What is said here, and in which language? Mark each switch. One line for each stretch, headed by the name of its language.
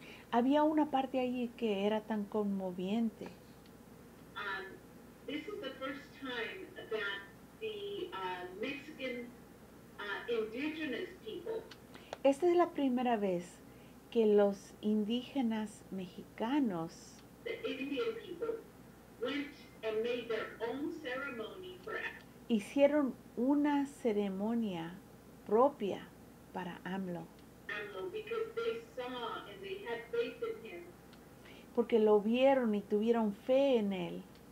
Spanish: Había una parte ahí que era tan conmoviente.
English: This is the first time that the Mexican indigenous people.
Spanish: Esta es la primera vez que los indígenas mexicanos.
English: The Indian people went and made their own ceremony for.
Spanish: Hicieron una ceremonia propia para AMLO.
English: AMLO, because they saw and they had faith in him.
Spanish: Porque lo vieron y tuvieron fe en él.